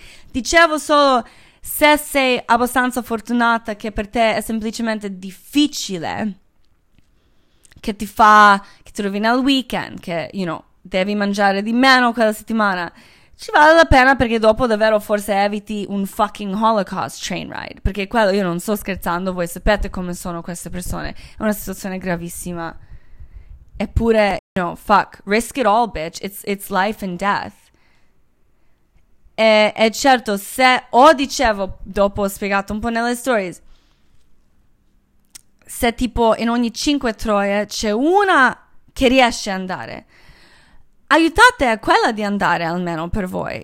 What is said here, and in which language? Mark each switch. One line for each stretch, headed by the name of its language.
Italian: Dicevo solo, se sei abbastanza fortunata che per te è semplicemente difficile, che ti fa, che ti rovina il weekend, che,
English: you know,
Italian: devi mangiare di meno quella settimana, ci vale la pena, perché dopo davvero forse eviti un
English: fucking Holocaust train ride.
Italian: Perché quello, io non sto scherzando, voi sapete come sono queste persone, è una situazione gravissima.
English: Eppure, you know, fuck, risk it all, bitch, it's life and death.
Italian: E certo, se, o dicevo, dopo ho spiegato un po' nelle stories, se tipo in ogni 5 troie c'è una che riesce ad andare, aiutate a quella di andare almeno per voi.